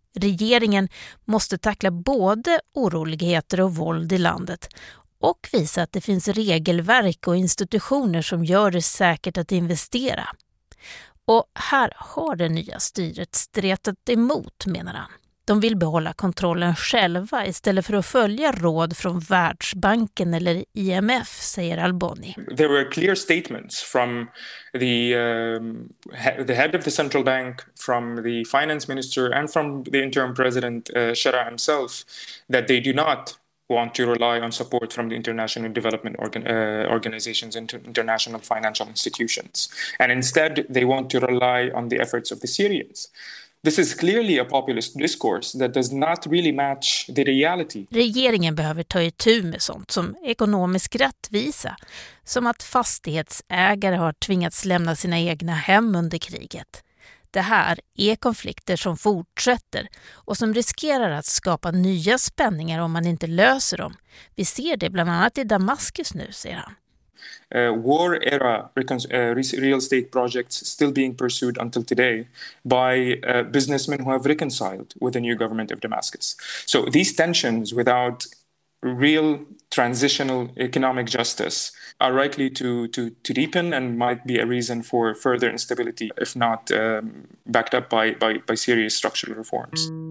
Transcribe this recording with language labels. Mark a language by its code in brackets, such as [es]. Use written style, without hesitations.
[sv] Regeringen måste tackla både oroligheter och våld i landet och visa att det finns regelverk och institutioner som gör det säkert att investera. Och här har det nya styret stretat emot, menar han. De vill behålla kontrollen själva istället för att följa råd från Världsbanken eller IMF, säger Alboni. [en] There were clear statements from the head of the central bank, from the finance minister and from the interim president Shara himself that they do not want to rely on support from the international development organizations and international financial institutions. And instead, they want to rely on the efforts of the Syrians. This is clearly a populist discourse that does not really match the reality. [sv] Regeringen behöver ta itu med sånt som ekonomisk rättvisa, som att fastighetsägare har tvingats lämna sina egna hem under kriget. Det här är konflikter som fortsätter och som riskerar att skapa nya spänningar om man inte löser dem. Vi ser det bland annat i Damaskus nu, säger han. [en] war era real estate projects still being pursued until today by businessmen who have reconciled with the new government of Damascus. So these tensions without real transitional economic justice are likely to deepen and might be a reason for further instability if not backed up by serious structural reforms.